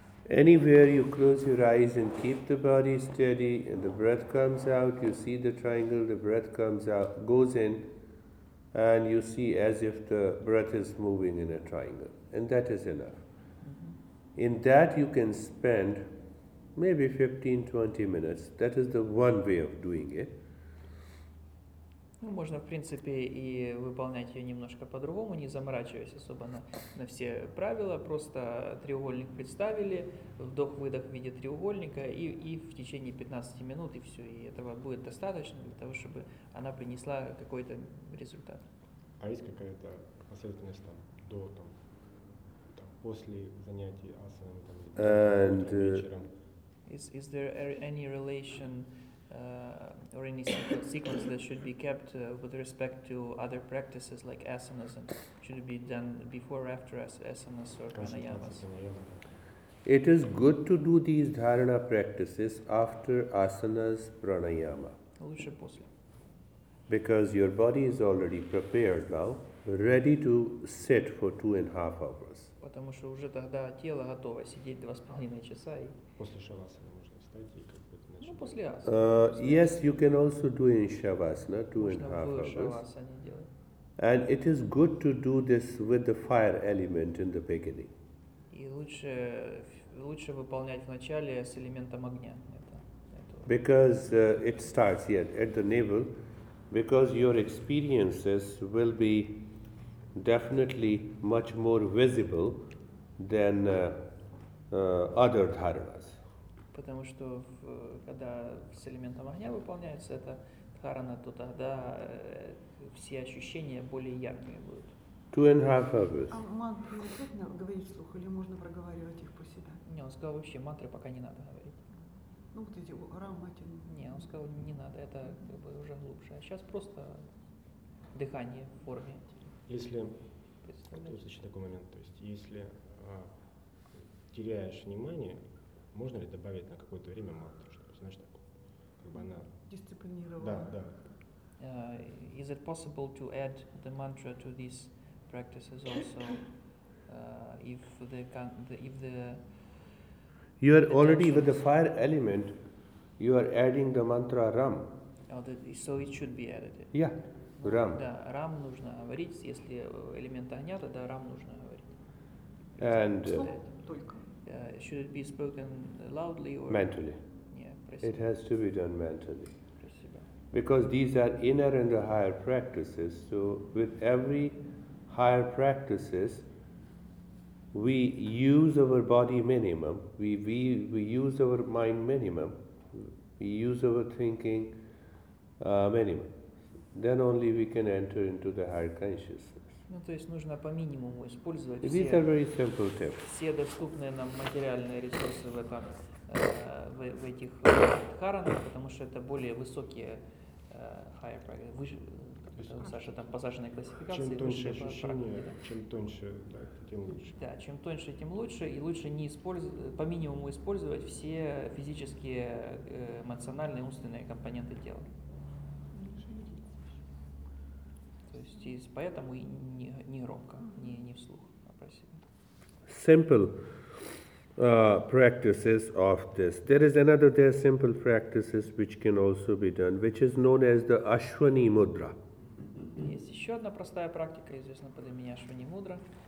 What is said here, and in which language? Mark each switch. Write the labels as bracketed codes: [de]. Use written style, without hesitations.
[en] Anywhere you close your eyes and keep the body steady and the breath comes out, you see the triangle, the breath comes out, goes in, and you see as if the breath is moving in a triangle. And that is enough. Mm-hmm. In that you can spend maybe 15-20 minutes. That is the one way of doing it. [ru] Ну, можно, в принципе, и выполнять ее немножко по-другому, не заморачиваясь особо на все правила. Просто треугольник представили, вдох-выдох в виде треугольника, и в течение 15 минут, и все. И этого будет достаточно для того, чтобы она принесла какой-то результат. А есть какая-то последовательность там, до, там, после занятий асаной, там, [en] and, [ru] вечером? [en] Is there any relation... or any sequence that should be kept with respect to other practices like asanas, and should it be done before or after asanas or pranayamas? It is good to do these dharana practices after asanas, pranayama. [ru] Лучше после. [en] because your body is already prepared now, ready to sit for 2.5 hours. [ru] Потому что уже тогда тело готово сидеть 2.5 часа. И... После шавасаны можно встать и как бы начать. Ну, после асаны. [en] Yes, you can also do in шавасана, 2.5 hours. [ru] Можно было шавасаны делать. [en] And it is good to do this with the fire element in the beginning. [ru] И лучше выполнять вначале с элементом огня. [en] Because it starts here at the navel, because your experiences will be definitely much more visible than other dharanas. [ru] Потому что когда с элементом огня выполняется эта дхарана, то тогда все ощущения более яркими будут. [en] 2.5 hours. [ru] А мантры нужно говорить вслух или можно проговаривать их по себе? Не, он сказал вообще мантры пока не надо говорить. Ну вот эти ароматы. Не, он сказал не надо, это как бы уже глубже. А сейчас просто дыхание в форме. Если, значит, такой момент, то есть, если теряешь внимание, можно ли добавить на какое-то время мантру, чтобы, знаешь, так, как бы она дисциплинировала. Да, да. [en] Is it possible to add the mantra to these practices also, if the You are already with the fire element, you are adding the mantra Ram. Oh, that, so it should be added. Yeah, Ram. [ru] Да, Ram нужно говорить, если элемент огня, тогда Ram нужно говорить. [en] And should it be spoken loudly or mentally? Yeah, it has to be done mentally. Because these are inner and the higher practices. So with every higher practices, we use our body minimum. We use our mind minimum. We use our thinking minimum. Then only we can enter into the higher consciousness. [ru] Ну то есть нужно по минимуму использовать все. [en] These are very simple tips. [ru] Все доступные нам материальные ресурсы в этих дхаранах, потому что это более высокие higher практики. Саша там посаженная классификация. Чем тоньше ощущение, чем тоньше, да, тем лучше. Да, чем тоньше, тем лучше, и лучше не по минимуму использовать все физические, эмоциональные, умственные компоненты тела. То есть поэтому и не громко, не вслух, а про себя. [en] Simple practices of this. There is another. There are simple practices which can also be done, which is known as the Ashwini Mudra. [ru] Есть еще одна простая практика, известна под именем Ашвани Мудра.